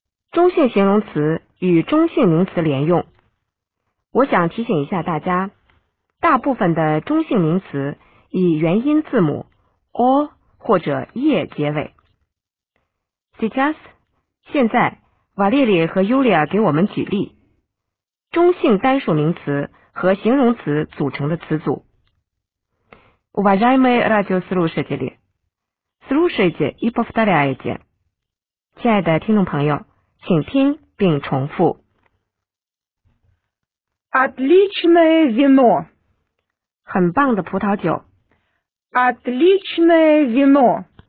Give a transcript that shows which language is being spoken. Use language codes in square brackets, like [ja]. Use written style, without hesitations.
[zh] 中性形容词与中性名词连用，我想提醒一下大家，大部分的中性名词以元音字母 o 或者 e 结尾。 [ru] Сейчас, [zh] 现在，瓦列里和尤利亚给我们举例，中性单数名词和形容词组成的词组。 [ru] Уважаемые радиослушатели, слушайте и повторяйте. [zh] 亲爱的听众朋友，请听并重复。 [ru] Отличное вино. [zh] 很棒的葡萄酒。 [ru] Отличное вино.